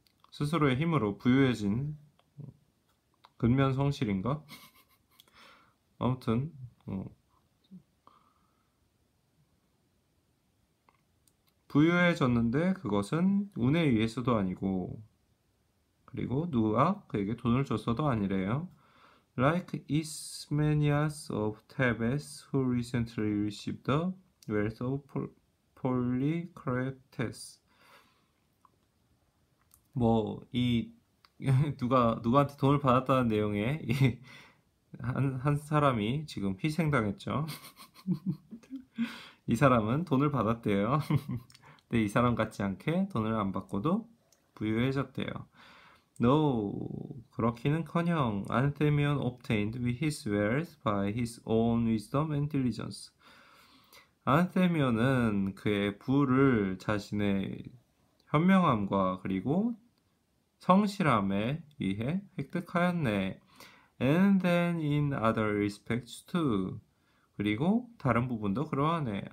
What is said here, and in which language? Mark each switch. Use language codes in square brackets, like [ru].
[ko] 스스로의 힘으로 부유해진 근면성실인가? 아무튼 부유해졌는데 그것은 운에 의해서도 아니고 그리고 누가 그에게 돈을 줬어도 아니래요. [en] Like Ismenias of Thebes, who recently received the wealth of Polycrates. [ko] 뭐이 누구한테 돈을 받았다는 내용의 한 사람이 지금 희생당했죠. 이 사람은 돈을 받았대요. 근데 이 사람 같지 않게 돈을 안 받고도 부유해졌대요. [en] No, [ko] 그렇기는커녕 [en] 안테미온 obtained with his wealth by his own wisdom and diligence. [ko] 안테미온은 그의 부를 자신의 현명함과 그리고 성실함에 의해 획득하였네. [en] And then in other respects too. [ko] 그리고 다른 부분도 그러하네.